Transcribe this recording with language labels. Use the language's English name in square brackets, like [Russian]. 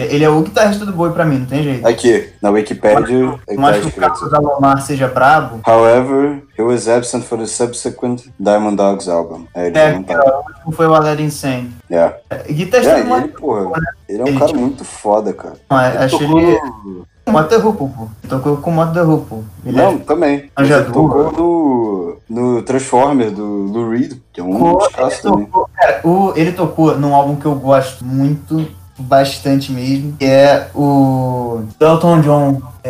[Portuguese] Ele é o guitarrista do Bowie pra mim, não tem jeito. Aqui, na Wikipedia... Não acho que o caso da Lomar seja brabo. [English] However, he was absent for the subsequent Diamond Dogs album. [Portuguese] Foi o Aladdin Sane. Yeah. Guitarrista do Bowie, pô. Ele é um cara muito foda, cara. Não, acho que ele... Moto The Rupo, pô. Tocou com o Moto The Rupo. Não, também. Ele tocou no Transformer do Lou Reed, que é um dos clássicos também. Ele tocou num álbum que eu gosto muito, bastante mesmo, que é o Elton John.